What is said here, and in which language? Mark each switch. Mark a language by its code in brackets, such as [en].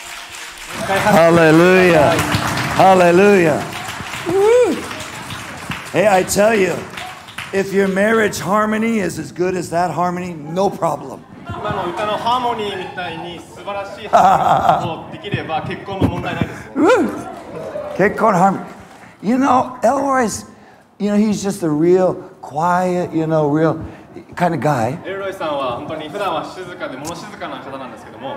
[en] Hallelujah. Hallelujah. Hey, I tell you, if your marriage harmony is as good as that harmony, no problem. [ja] 今の歌のハーモニーみたいに素晴晴らしい話をできれば結婚も問題ないです。結婚ハーモニー。 [en] You know, Elroy's, you know, he's just a real quiet, you know, real kind of guy. [ja] Elroy さんは本当に普段は静かで物静かな方なんですけども。